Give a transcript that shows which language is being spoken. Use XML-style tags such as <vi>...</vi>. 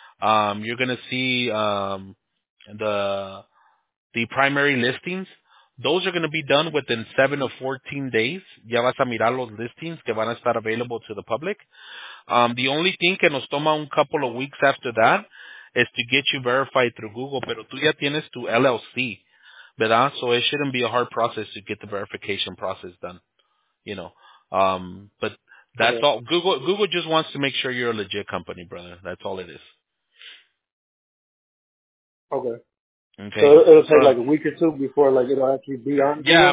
<en>You're going to see the primary listings. Those are going to be done within 7 to 14 days.</en> <es>Ya vas a mirar los listings que van a estar</es> <en>available to the public. The only thing</en> <es>que nos toma un</es> <en>couple of weeks after that is to get you verified through Google.</en> <es>Pero tú ya tienes tu LLC, ¿verdad?</es> <en>So it shouldn't be a hard process to get the verification process done, you know. But that's all. Google just wants to make sure you're a legit company, brother. That's all it is. Okay. So it'll take like a week or two before like it'll actually be on.</en>